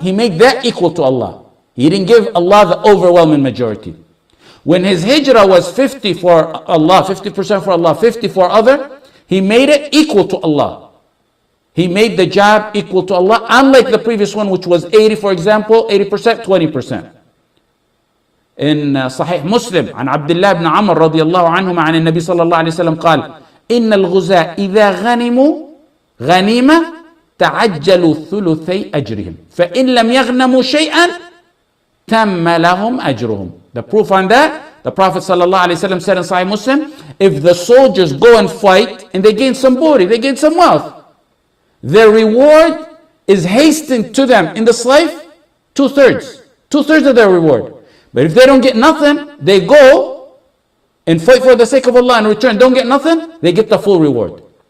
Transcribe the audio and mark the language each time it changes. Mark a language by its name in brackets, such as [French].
[English] He made that equal to Allah. He didn't give Allah the overwhelming majority. When his hijrah was 50 for Allah, 50% for Allah, 50 for other, he made it equal to Allah. He made the job equal to Allah, unlike the previous one, which was 80, for example, 80%, 20%. [Arabic] In Sahih Muslim, عن عبد الله بن عمر رضي الله عنهما عن النبي صلى الله عليه وسلم قال إن الغزاة إذا غنموا غنيمة تعجلوا ثلثي أجرهم فإن لم يغنموا شيئا تم لهم أجرهم. [English] The proof on that, the Prophet صلى الله عليه وسلم said in Sahih Muslim, if the soldiers go and fight and they gain some booty, they gain some wealth, their reward is hastened to them in this life, two-thirds of their reward. But if they don't get nothing, they go and fight for the sake of Allah and return, don't get nothing, they get the full reward.